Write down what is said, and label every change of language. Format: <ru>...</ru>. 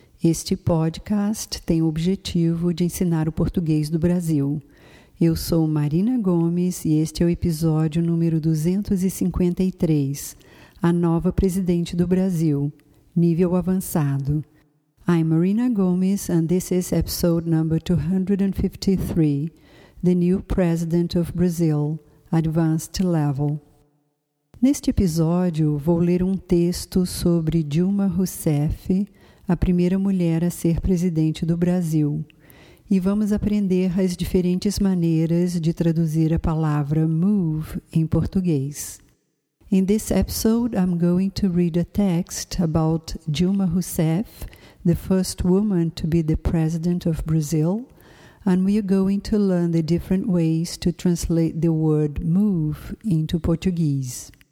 <pt>Este podcast tem o objetivo de ensinar o português do Brasil. Eu sou Marina Gomes e este é o episódio número 253, A Nova Presidente do Brasil, Nível Avançado.</pt> <en>I'm Marina Gomes and this is episode number 253, The New President of Brazil, Advanced Level.</en> <pt>Neste episódio, vou ler um texto sobre Dilma Rousseff, a primeira mulher a ser presidente do Brasil. E vamos aprender as diferentes maneiras de traduzir a palavra move em português.</pt> <en>In this episode, I'm going to read a text about Dilma Rousseff, the first woman to be the president of Brazil, and we are going to learn the different ways to translate the word move into Portuguese.</en>